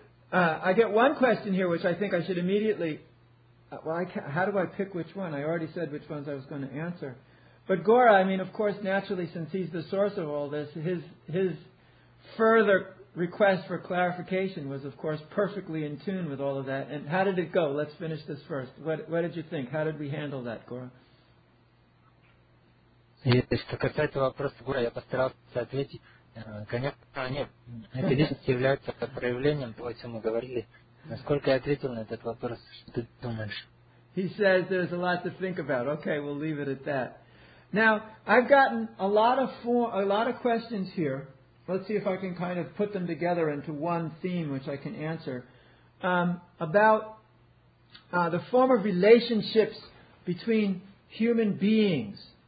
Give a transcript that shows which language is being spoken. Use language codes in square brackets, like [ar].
[en] I get one question here, which I think I should immediately... how do I pick which one? I already said which ones I was going to answer. But Gaura, I mean, of course, naturally, since he's the source of all this, his further request for clarification was, of course, perfectly in tune with all of that. And how did it go? Let's finish this first. What did you think? How did we handle that, Gaura? [ru] Что касается вопроса Гора, я постарался ответить. Конечно, нет. Эти личности являются проявлением того, о чем мы говорили. Насколько я ответил на этот вопрос, что ты думаешь? [en] He says there's a lot to think about. Okay, we'll leave it at that. Now, I've gotten a lot of questions here. Let's see if I can kind of put them together into one theme which I can answer. About the form of relationships between human beings.